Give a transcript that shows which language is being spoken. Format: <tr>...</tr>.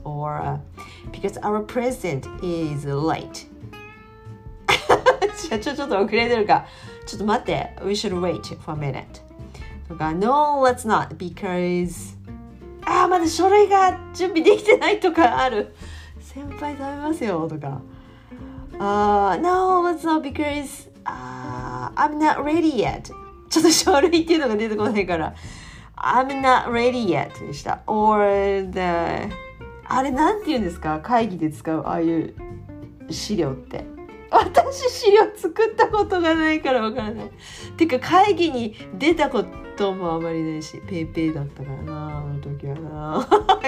<en>Or because our president is late.</en> <ja>社長ちょっと遅れてるか。ちょっと待って。</ja> <en>We should wait for a minute. とか、No, let's not. Because...</en> <ja>あ、まだ書類が準備できてないとかある。先輩食べますよとか。</ja> <en>No, let's not because I'm not ready yet.</en> <ja>ちょっと書類っていうのが出てこないから</ja> <en>I'm not ready yet</en> <ja>でした。</ja> <en>Or the</en> <ja>あれなんて言うんですか、会議で使うああいう資料って。私資料作ったことがないからわからない。てか会議に出たこともあまりないし、ペーペーだったからなあの時はな。</ja>